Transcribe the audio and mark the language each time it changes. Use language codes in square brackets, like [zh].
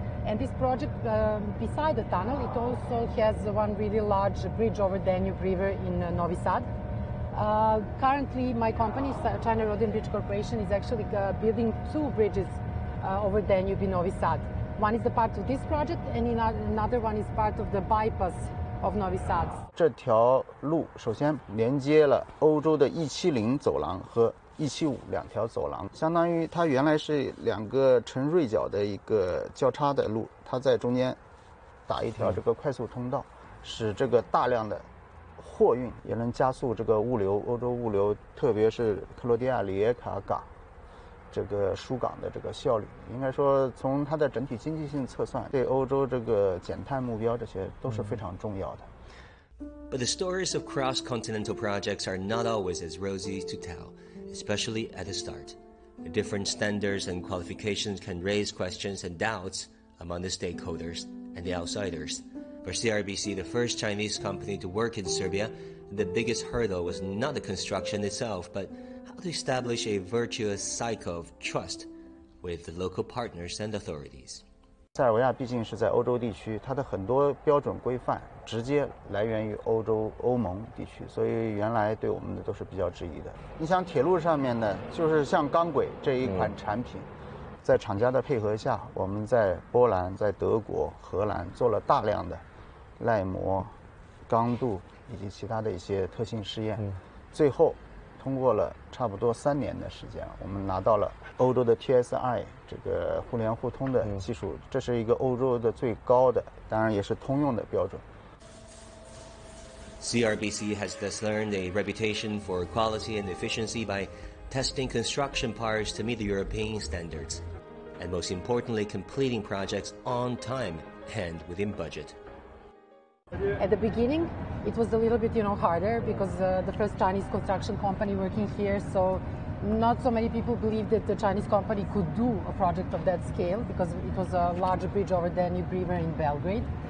[en] And this project, beside the tunnel, it also has one really large bridge over Danube River in Novi Sad. Currently, my company, China Road and Bridge Corporation, is actually building two bridges over Danube in Novi Sad. One is the part of this project, and another one is part of the bypass of Novi Sad. [zh] 这条路首先连接了欧洲的170走廊和175两条走廊，相当于它原来是两个呈锐角的一个交叉的路，它在中间打一条这个快速通道，使这个大量的货运也能加速这个物流，欧洲物流特别是克罗地亚里耶卡港这个疏港的这个效率，应该说从它的整体经济性测算，对欧洲这个减碳目标这些都是非常重要的。 [en] But the stories of cross-continental projects are not always as rosy to tell, especially at the start. The different standards and qualifications can raise questions and doubts among the stakeholders and the outsiders. For CRBC, the first Chinese company to work in Serbia, the biggest hurdle was not the construction itself, but how to establish a virtuous cycle of trust with the local partners and authorities. [zh] 塞尔维亚毕竟是在欧洲地区，它的很多标准规范直接来源于欧洲欧盟地区，所以原来对我们的都是比较质疑的。你想铁路上面呢，就是像钢轨这一款产品，在厂家的配合下，我们在波兰、在德国、荷兰做了大量的耐磨、刚度以及其他的一些特性试验，最后通过了差不多三年的时间，我们拿到了欧洲的 TSI 这个互联互通的技术，这是一个欧洲的最高的，当然也是通用的标准。 [en] CRBC has thus earned a reputation for quality and efficiency by testing construction parts to meet the European standards, and most importantly, completing projects on time and within budget. At the beginning, it was a little bit, you know, harder because the first Chinese construction company working here, so not so many people believed that the Chinese company could do a project of that scale because it was a large bridge over Danube River in Belgrade.